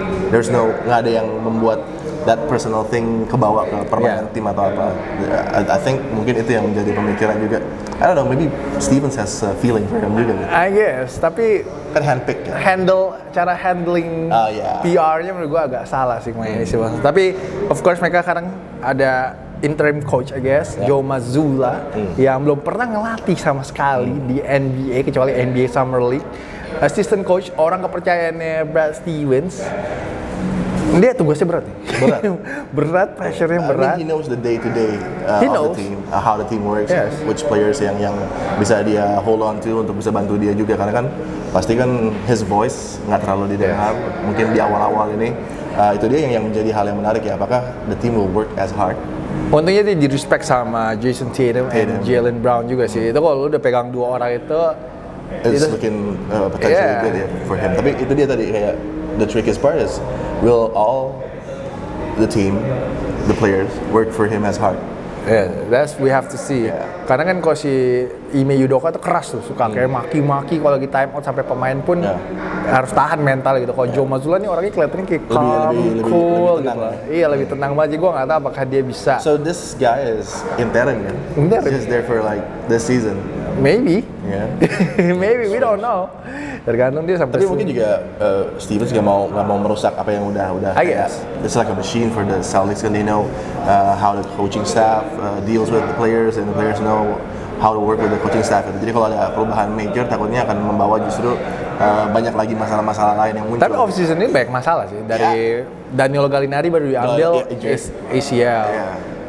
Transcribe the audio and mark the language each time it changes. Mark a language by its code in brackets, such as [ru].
[en] There's no, [id] nggak ada yang membuat [en] that personal thing [id] kebawa ke permainan tim atau apa. [en] I think [id] mungkin itu yang menjadi pemikiran juga. [en] I don't know, maybe Stevens has a feeling for him [id] juga. [en] I guess, [id] tapi kan handpick ya. Cara handling PR-nya menurut gue agak salah sih. Tapi [en] of course [id] mereka sekarang ada [en] interim coach, I guess, yeah. [id] Joe Mazzulla, yang belum pernah ngelatih sama sekali di NBA, kecuali NBA Summer League. Assistant coach, orang kepercayaannya Brad Stevens. Dia tugasnya berat nih. Berat. Berat, pressure-nya berat. [en] I mean, he knows the day-to-day of the team, how the team works, yes. Which players [id] yang bisa dia [en] hold on to [id] untuk bisa bantu dia juga. Karena kan pasti kan [en] his voice [id] nggak terlalu didengar, [en] yes. [id] Mungkin di awal-awal ini. Itu dia yang menjadi hal yang menarik ya, apakah [en] the team will work as hard? [id] Untungnya dia di-respect sama Jason Tatum and Jaylen Brown juga sih. Itu kalau lu udah pegang dua orang itu, [en] it's looking potentially good ya for him. [id] Tapi itu dia tadi kayak, [en] the trickiest part is, will all the team, the players, work for him as hard? Yeah, that's we have to see. Yeah. [id] Karena kan kalau si Ime Udoka tuh keras tuh, suka kayak maki-maki kalau lagi time out sampai pemain pun harus tahan mental gitu. Kalau Joe Mazzulla nih orangnya kelihatannya kayak [en] calm, cool, [id] lebih tenang. Gitu. Iya, lebih tenang aja. Gua nggak tahu apakah dia bisa. [en] So this guy is interim, ya? Interim. Just there for like this season. Maybe. Yeah. Maybe we don't know. [id] Tergantung dia sampai. Tapi mungkin juga Stevens nggak mau merusak apa yang udah. [en] I guess. Kayak, it's like a machine for the Celtics, and they know how the coaching staff deals with the players, and the players know how to work with the coaching staff. [id] Jadi kalau ada perubahan major, takutnya akan membawa justru banyak lagi masalah-masalah lain yang muncul. Tapi off season ini banyak masalah sih. Dari Danilo Gallinari baru diambil ACL.